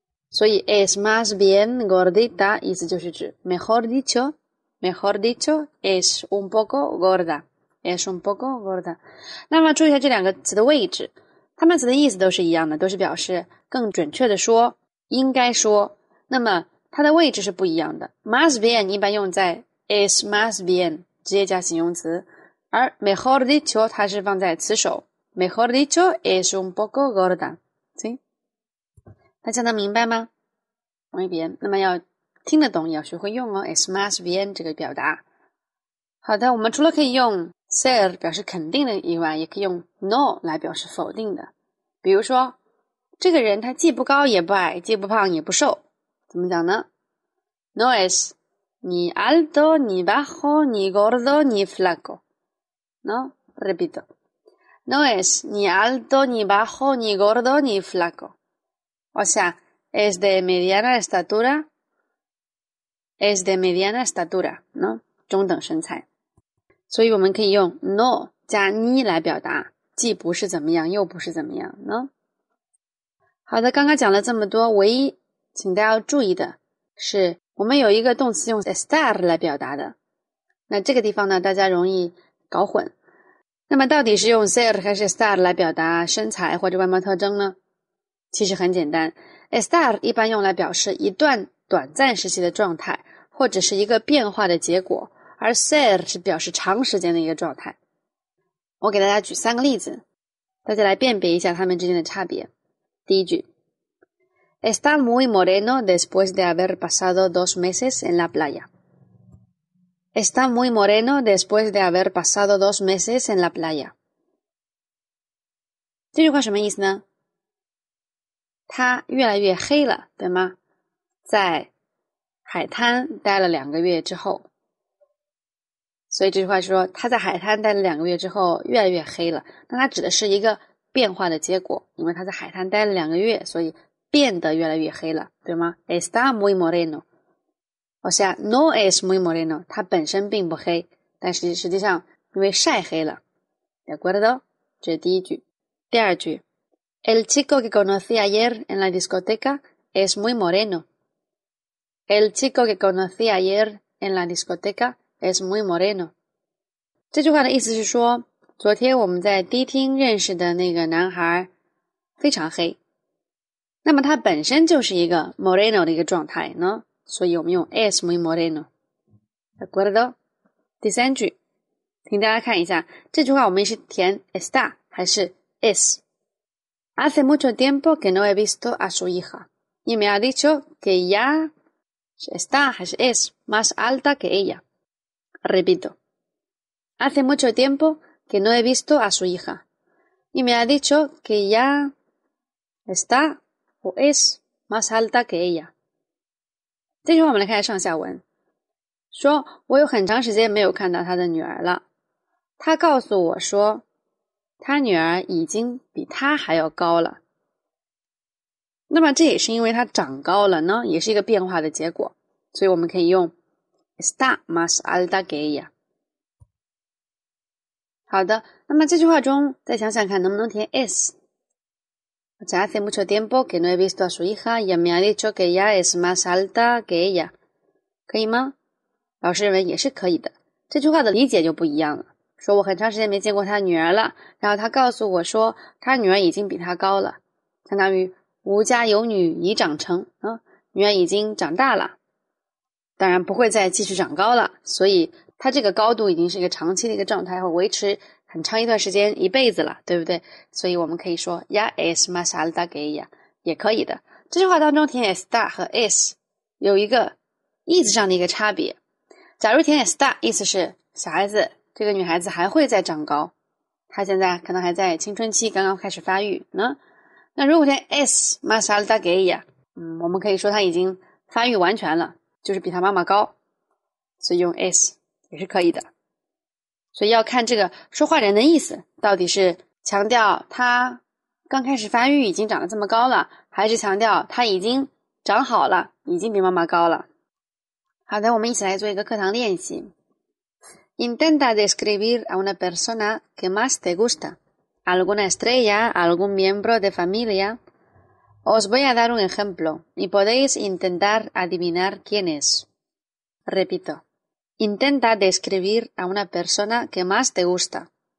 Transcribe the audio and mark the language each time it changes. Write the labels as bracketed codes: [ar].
[zh] 所以 [es] es más bien gordita [zh] 意思就是指， [es] mejor dicho，es un poco gorda。 es un poco gorda。 [zh] 那么注意一下这两个词的位置，它们词的意思都是一样的，都是表示更准确的说，应该说。那么它的位置是不一样的。más bien 一般用在 [es] es más bien [zh] 直接加形容词，而 [es] mejor dicho [zh] 它是放在词首。 [es] mejor dicho es un poco gorda。 [zh] 行，大家能明白吗？没别，那么要听得懂，也要学会用哦。 [es] es más bien [zh] 这个表达。好的，我们除了可以用 ser 表示肯定的以外，也可以用 no 来表示否定的。比如说，这个人他既不高也不矮，既不胖也不瘦，怎么讲呢？ [es] No es ni alto ni bajo ni gordo ni flaco. No, repito. No es ni alto ni bajo ni gordo ni flaco. O sea, es de mediana estatura. Es de mediana estatura, ¿no? [zh] 中等身材。所以我们可以用 no 加 ni 来表达，既不是怎么样，又不是怎么样呢？好的，刚刚讲了这么多，唯一请大家要注意的是，我们有一个动词用 estar 来表达的，那这个地方呢，大家容易搞混。那么到底是用 ser 还是 estar 来表达身材或者外貌特征呢？其实很简单 ，estar 一般用来表示一段短暂时期的状态，或者是一个变化的结果，而 ser 是表示长时间的一个状态。我给大家举三个例子，大家来辨别一下它们之间的差别。第一句 [es] ，Está muy moreno después de haber pasado dos meses en la playa. Está muy moreno después de haber pasado dos meses en la playa. [zh] 这句话什么意思呢？他越来越黑了，对吗？在海滩待了两个月之后，所以这句话说他在海滩待了两个月之后越来越黑了。那他指的是一个变化的结果，因为他在海滩待了两个月，所以变得越来越黑了，对吗 ？ [es] Está muy moreno， [zh] 我写 [es] no es muy moreno， [zh] 他本身并不黑，但是实际上因为晒黑了。 [es] De acuerdo， [zh] 这是第一句。第二句。 [es] El chico que conocí ayer en la discoteca es muy moreno. El chico que conocí ayer en la discoteca es muy moreno. [zh] 这句话的意思是说，昨天我们在迪厅认识的那个男孩非常黑。那么他本身就是一个 moreno 的一个状态呢，所以我们用 [es] es muy moreno。 De acuerdo？ [zh] 第三句，请大家看一下，这句话我们是填 está 还是 es？ [es] Hace mucho tiempo que no he visto a su hija y me ha dicho que ya está, es más alta que ella. Repito. Hace mucho tiempo que no he visto a su hija y me ha dicho que ya está o es más alta que ella. [zh] 这句话我们来看上下文。说我有很长时间没有看到她的女儿了。她告诉我说他女儿已经比他还要高了。那么这也是因为他长高了呢，也是一个变化的结果。所以我们可以用 [es] está más alta que ella。 [zh] 好的，那么这句话中再想想看能不能填 es。 [es] Ya hace mucho tiempo que no he visto a su hija y me ha dicho que ya es más alta que ella。 [zh] 可以吗？老师认为也是可以的。这句话的理解就不一样了。说我很长时间没见过他女儿了，然后他告诉我说他女儿已经比他高了，相当于吾家有女已长成啊，女儿已经长大了，当然不会再继续长高了，所以他这个高度已经是一个长期的一个状态，会维持很长一段时间，一辈子了，对不对？所以我们可以说 [es] ya es más alta que ella [zh] 也可以的。这句话当中填 está 和 es 有一个意思上的一个差别。假如填 está 意思是小孩子。这个女孩子还会再长高，她现在可能还在青春期，刚刚开始发育呢。那如果填 [es] S más alta que ella， [zh] 我们可以说她已经发育完全了，就是比她妈妈高，所以用 S 也是可以的。所以要看这个说话人的意思，到底是强调她刚开始发育已经长得这么高了，还是强调她已经长好了，已经比妈妈高了。好的，我们一起来做一个课堂练习。 [es] Intenta describir a una persona que más te gusta. Alguna estrella, algún miembro de familia. Os voy a dar un ejemplo y podéis intentar adivinar quién es. Repito. Intenta describir a una persona que más te gusta.